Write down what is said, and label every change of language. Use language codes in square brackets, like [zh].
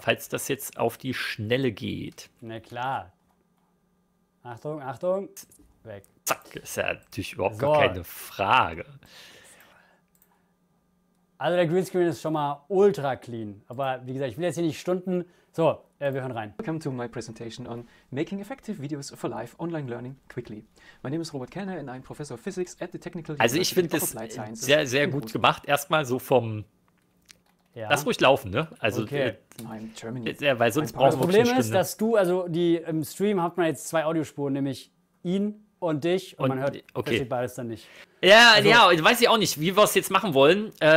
[de] Falls das jetzt auf die Schnelle geht. Na klar. Achtung. Weg. Zack, ist ja natürlich überhaupt gar keine Frage. Also der Greenscreen ist schon mal ultra clean. Aber wie gesagt, ich will jetzt hier nicht Stunden. So, wir hören rein. [en] Welcome to my presentation on making effective videos for live online learning quickly. My name is Robert Kellner and I'm Professor of Physics at the Technical University of Applied Sciences. [de] Also ich finde das sehr, sehr gut gemacht. Erstmal so vom... Ja. Lass ruhig laufen, ne? Also, weil sonst brauchen wir Problem ist, dass du, also die im Stream hat man jetzt zwei Audiospuren, nämlich ihn und dich und man hört beides dann nicht. Ja, weiß ich auch nicht, wie wir es jetzt machen wollen.